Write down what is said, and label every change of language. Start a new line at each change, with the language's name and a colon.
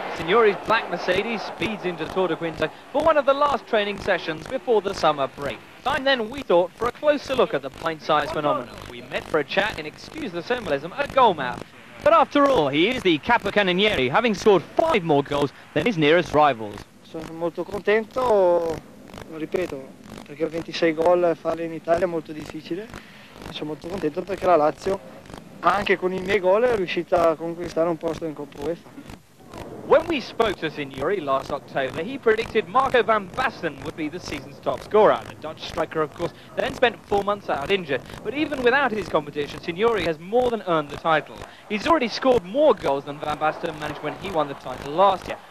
English: Signori's black Mercedes speeds into Tour de Quinta for one of the last training sessions before the summer break. Time then, we thought, for a closer look at the pint-sized phenomenon. We met for a chat and, excuse the symbolism, a goal map. But after all, he is the capocannoniere, having scored 5 more goals than his nearest rivals.
Italian: Sono molto contento, lo ripeto, perché 26 gol fare in Italia è molto difficile. Sono molto contento perché la Lazio, anche con I miei gol, è riuscita a conquistare un posto in Coppa UEFA.
English: When we spoke to Signori last October, he predicted Marco van Basten would be the season's top scorer. The Dutch striker, of course, then spent 4 months out injured. But even without his competition, Signori has more than earned the title. He's already scored more goals than van Basten managed when he won the title last year.